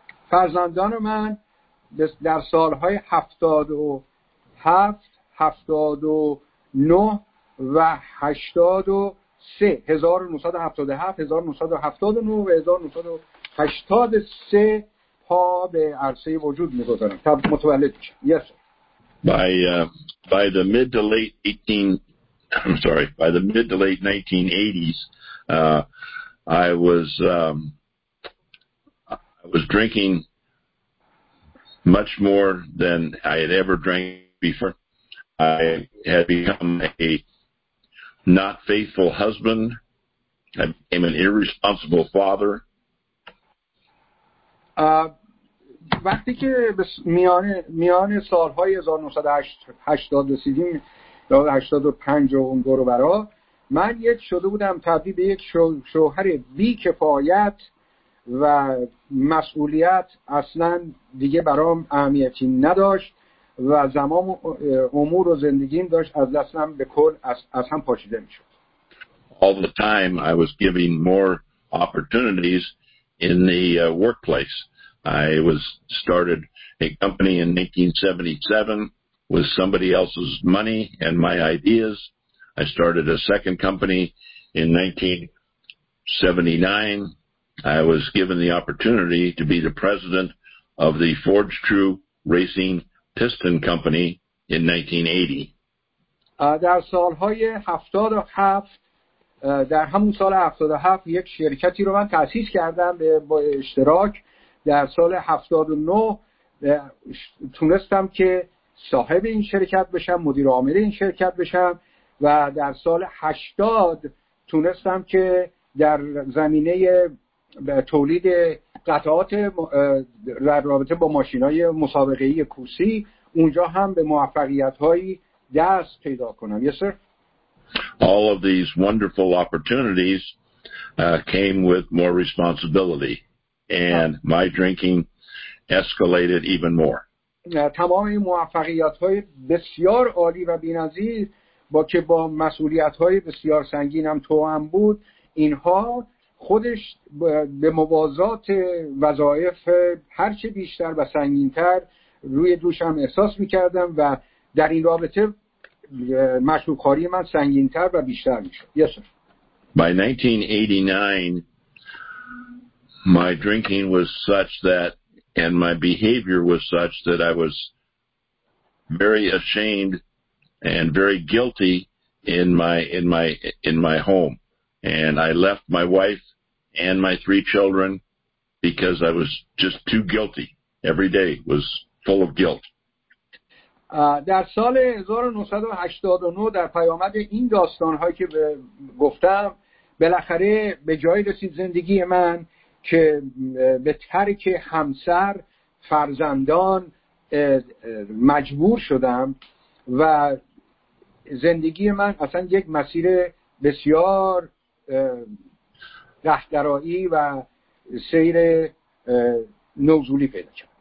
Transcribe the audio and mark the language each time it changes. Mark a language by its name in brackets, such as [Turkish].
[Persian] فرزندان من در سالهای 77, 79 و 83, 1977, 1979 و 1983 پا به عرصه وجود می‌گذارند. تا متولد شد. [English] Yes. By the mid to late 1980s, I was drinking much more than I had ever drank before. I had become a not faithful husband. I became an irresponsible father. [Persian] وقتی که به میان سالهای 1980 رسیدیم یا 85 و اون دور و برا، من یک شده بودم تبدیل به یک شوهر بی کفایت و مسئولیت اصلا دیگه برام اهمیتی نداشت و زمان امور و زندگیم داشت از دستم به کل از هم پاشیده می شد. [English] All the time I was giving more opportunities in the workplace. I was started a company in 1977 with somebody else's money and my ideas. I started a second company in 1979. I was given the opportunity to be the president of the Forge True Racing Piston Company in 1980. [Persian] در سالهای 77 در همون سال 77 یک شرکتی رو من تأسیس کردم با اشتراک. در سال 79 تونستم که صاحب این شرکت بشم، مدیر عامل این شرکت بشم و در سال 80 تونستم که در زمینه تولید قطعات در رابطه با ماشین‌های مسابقه‌ای کورسی اونجا هم به موفقیت‌هایی دست پیدا کنم. [English] Yes, sir. All of these wonderful opportunities came with more responsibility. And my drinking escalated even more. [Persian] تمام این موفقیت‌های بسیار عالی و بی‌نظیر با که با مسئولیت‌های بسیار سنگین هم توأم بود، اینها خودش به موازات وظایف هر چه بیشتر و سنگین‌تر روی دوشم احساس می‌کردم و در این رابطه مشروب‌خواری من سنگین‌تر و بیشتر می‌شد. [English] Yes, sir. By 1989, my drinking was such that, and my behavior was such that I was very ashamed and very guilty in my home. And I left my wife and my three children because I was just too guilty. Every day was full of guilt. [Persian] در سال 1989 در پیامد این داستان‌هایی که گفتم بالاخره به جایی رسید زندگی من که به ترک همسر فرزندان مجبور شدم و زندگی من اصلا یک مسیر بسیار رهدرایی و سیر نزولی پیدا کرد.